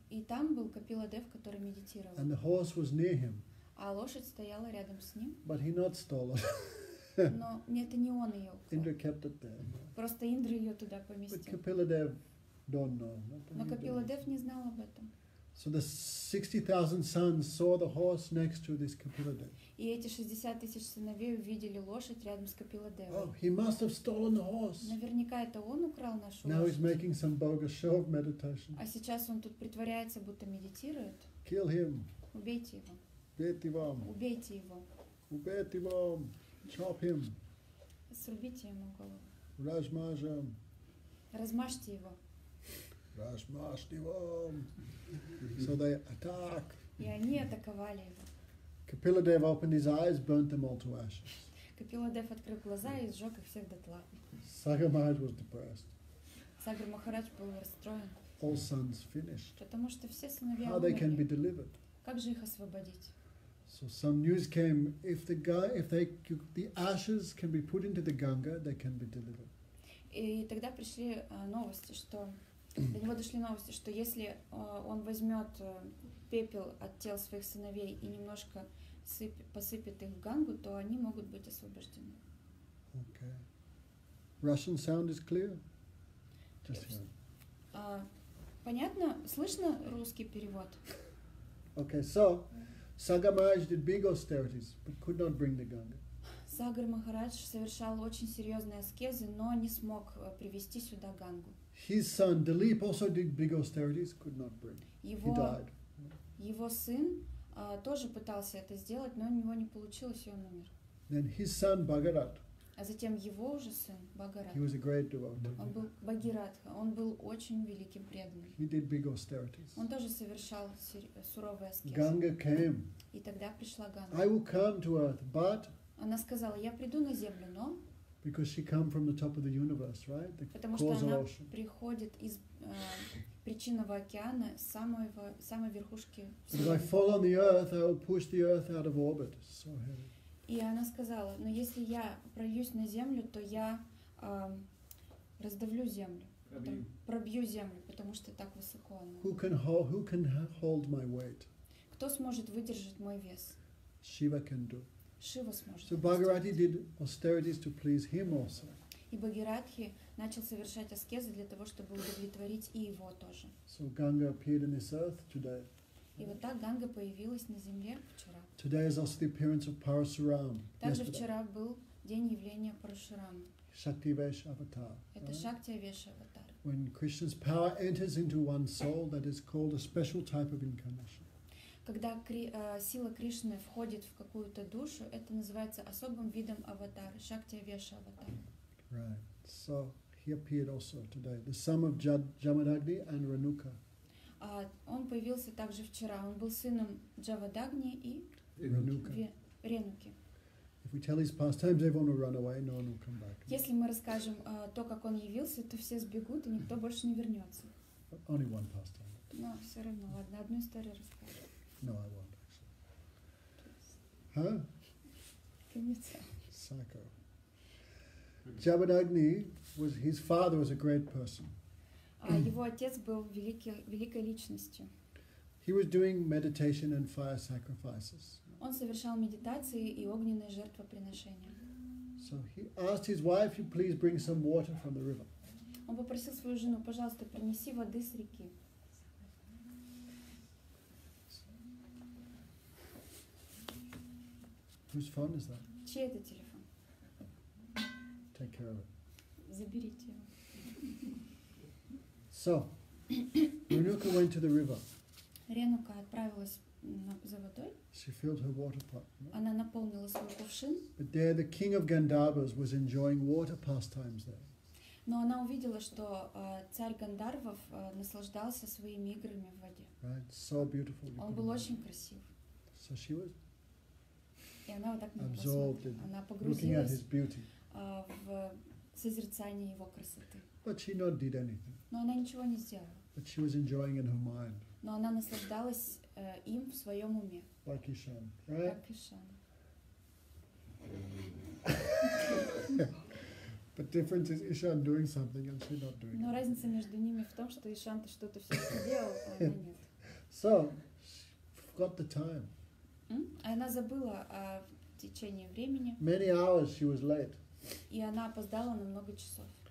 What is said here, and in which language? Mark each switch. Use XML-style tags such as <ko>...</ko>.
<ru>И там был Капила Дев, который медитировал.</ru> <en>And the horse was near him.</en> <ru>А лошадь стояла рядом с ним.</ru> <en>But he not stole it.</en> <ru>Но нет, это не он ее украл.</ru> <en>Indra kept it there.</en> <ru>Просто Индра ее туда поместил.</ru> <en>But Kapila Dev don't know.</en> <ru>Но Капила Дев не знал об этом.</ru> <en>So the 60,000 sons saw the horse next to this Kapila Dev.</en> <ru>И эти 60,000 сыновей увидели лошадь рядом с Капила Девой.</ru> <en>Oh, he must have stolen the horse.</en> <ru>Наверняка это он украл нашу лошадь.</ru> <en>Now he's making some bogus show of meditation.</en> <ru>А сейчас он тут притворяется, будто медитирует.</ru> <en>Kill him.</en> <ru>Убейте его. Убейте вам. Убейте его. Убейте вам.</ru> <en>Chop him.</en> <ru>Срубите ему голову. Размажем. Размажьте его. Размажьте вам.</ru> <en>So they attack.</en> <ru>И они атаковали его.</ru> <en>Kapila Dev opened his eyes, burnt them all to ashes.</en> <ru>Kapila Dev открыл глаза и сжег их всех дотла.</ru> <en>Sagar Maharaj was depressed.</en> <ru>Sagar Maharaj был расстроен.</ru> <en>All sons finished.</en> <ru>Потому что все сыновья умерли.</ru> <en>How they can be delivered?</en> <ru>Как же их освободить?</ru> <en>So some news came: if the ashes can be put into the Ganga, they can be delivered.</en> <ru>И тогда пришли новости, что до него дошли новости, что если он возьмет пепел от тел своих сыновей и немножко посыпет их в Гангу, то они могут быть освобождены.</ru> <en>Okay. Russian sound is clear? Just here.</en> <ru>Понятно? Слышно русский перевод?</ru> <en>Okay, so Sagar Maharaj did big austerities, but could not bring the Ganga.</en> <ru>Сагар Махарадж совершал очень серьезные аскезы, но не смог привести сюда Гангу.</ru> <en>His son Dilip also did big austerities, could not bring.</en> <ru>Его,</ru> <en>he died.</en> <ru>Его сын тоже пытался это сделать, но у него не получилось, и он умер.</ru> <en>Then his son Bhagirath.</en> <ru>А затем его уже сын Bhagirath.</ru> <en>He was a great devotee.</en> <ru>Он был Bhagirath, он был очень великим преданным.</ru> <en>He did big austerities.</en> <ru>Он тоже совершал суровые аскезы.</ru> <en>Ganga came.</en> <ru>И тогда пришла Ганга.</ru> <en>I will come to earth, but.</en> <ru>Она сказала: я приду на землю, но.</ru> <en>Because she come from the top of the universe, right? The</en> <ru>потому что она приходит из причинного океана, самой верхушки.</ru> <en>But if I fall on the earth, I will push the earth out of orbit. So heavy.</en> <ru>И она сказала: но если я прольюсь на землю, то я раздавлю землю, пробью землю, потому что так высоко она.</ru> <en>Who can hold my weight?</en> <ru>Кто сможет выдержать мой вес?</ru> <en>Shiva can do.</en> <ru>Шива сможет.</ru> <en>So Bhagirathi did austerities to please him also.</en> <ru>И Багиратхи начал совершать аскезы для того, чтобы удовлетворить и его тоже.</ru> <en>So Ganga appeared in this earth today.</en> <ru>И вот так Ганга появилась на земле вчера.</ru> <en>Today is also the appearance of Parashuram.</en> <ru>Также вчера был день явления Парашурама.</ru> <en>Shakti Vesh Avatar.</en> <ru>Это Шакти Веш Аватар.</ru> <en>When Krishna's power enters into one soul, that is called a special type of incarnation.</en> <ru>Когда сила Кришны входит в какую-то душу, это называется особым видом аватара, Шакти Веш Аватар.</ru> <en>Right. So he appeared also today. The son of Jamadagni and Ranuka.</en> <ru>Он появился также вчера. Он был сыном Джавадагни и Ренуки.</ru> <en>If we tell his pastimes, everyone will run away. No one will come back.</en> <ru>Если мы расскажем то, как он явился, то все сбегут и никто больше не вернется.</ru> <en>But only one pastime.</en> <ru>Но все равно, ладно, одну историю расскажу.</ru> <en>No, I won't actually. Huh? Psycho. Jabadagni was his father was a great person.</en> <ru>Его отец был великой личностью.</ru> <en>He was doing meditation and fire sacrifices.</en> <ru>Он совершал медитации и огненные жертвоприношения.</ru> <en>So he asked his wife, "You please bring some water from the river."</en> <ru>Он попросил свою жену, пожалуйста, принеси воды с реки.</ru> <en>Whose phone is that?</en> <ru>Чей это телефон?</ru> <en>Take care of it.</en> <ru>Заберите его.</ru> <en>So, Ranuka went to the river.</en> <ru>Ренука отправилась за водой.</ru> <en>She filled her water pot.</en> <ru>Она наполнила свой кувшин.</ru> <en>But there, the king of Gandharvas was enjoying water pastimes there.</en> <ru>Но она увидела, что царь Гандарвов наслаждался своими играми в воде.</ru> <en>Right, so beautiful.</en> <ru>Он был очень красив.</ru> <en>So she was.</en> <ru>И она вот так</ru> <en>absorbed in</en> <ru>она</ru> <en>looking at his beauty.</en> <ru>В созерцании его красоты.</ru> <en>But she not did anything.</en> <ru>Но она ничего не сделала.</ru> <en>But she was enjoying in her mind.</en> <ru>Но она наслаждалась им в своем уме.</ru> <en>Like Ishan, right? Like Ishan. But difference is Ishan doing something and she not doing.</en> <ru>Но разница между ними в том, что Ishan то что-то все делал, а она нет.</ru> <en>So she forgot the time.</en> <ru>Она забыла о течении времени.</ru> <en>Many hours she was late.</en> <ru>И она опоздала на много часов.</ru>